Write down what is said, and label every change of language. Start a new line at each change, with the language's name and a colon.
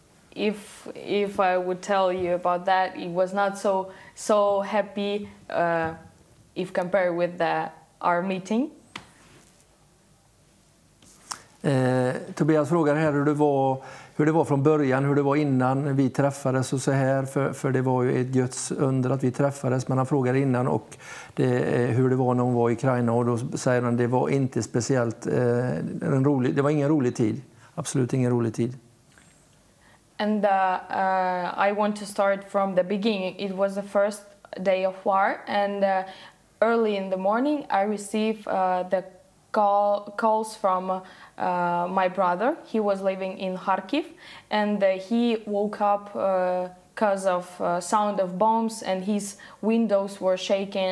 English: If I would tell you about that, it was not so happy if compared with our meeting.
Swedish: Tobias frågar här hur det var från början, hur det var innan vi träffades och så här, för det var ju ett Guds under att vi träffades, men han frågar innan och det, hur det var när hon var i Ukraina, och då säger han det var inte speciellt en rolig, det var ingen rolig tid, absolut ingen rolig tid.
English: And I want to start from the beginning. It was the first day of war, and early in the morning I received the calls from my brother. He was living in Kharkiv, and he woke up because of sound of bombs, and his windows were shaking.